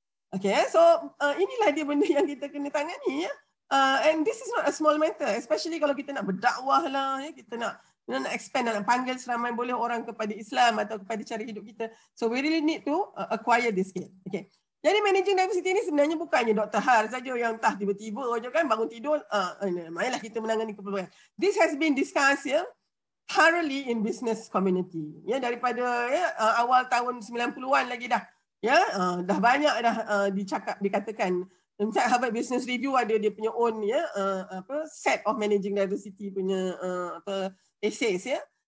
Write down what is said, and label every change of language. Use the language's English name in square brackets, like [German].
[Malay] Okay, so inilah dia benda yang kita kena tangani ya. [English] And this is not a small matter, especially [Malay] kalau kita nak berdakwah lah, ya, kita nak nak expand dan panggil seramai boleh orang kepada Islam atau kepada cara hidup kita. [English] So we really need to acquire this skill. [Malay] Okay. Jadi [English] managing diversity [Malay] ni sebenarnya bukannya Dr. Har saja yang tah tiba-tiba saja kan bangun tidur, mainlah kita menangani keperluan. [English] This has been discussed ya, thoroughly in business community. [Malay] Ya, daripada ya, awal tahun 90-an lagi dah. Ya, dah banyak dah dicakap, dikatakan. Misalnya Harvard Business Review ada dia punya own ya, apa [English] set of managing diversity [Malay] punya apa essays ya.